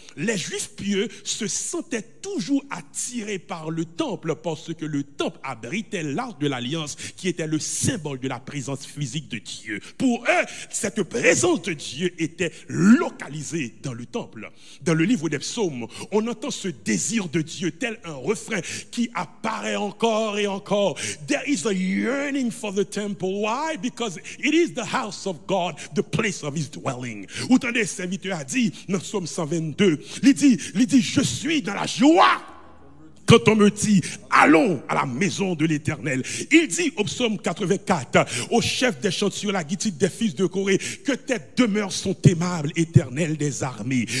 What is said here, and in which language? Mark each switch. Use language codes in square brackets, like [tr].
[fr] Les juifs pieux se sentaient toujours attirés par le temple parce que le temple abritait l'arche de l'Alliance qui était le symbole de la présence physique de Dieu. Pour eux, cette présence de Dieu était localisée dans le temple. Dans le livre des psaumes, on entend ce désir de Dieu tel un refrain qui apparaît encore et encore. [en] There is a yearning for the temple. Why? Because it is the house of God, the place of his dwelling. [fr] Où t'en est, serviteur a dit, dans Psaume 122, il dit, je suis dans la joie quand on me dit, allons à la maison de l'Éternel. Il dit au Psaume 84, au chef des chantiers, la guitite des fils de Corée, que tes demeures sont aimables, Éternel des armées.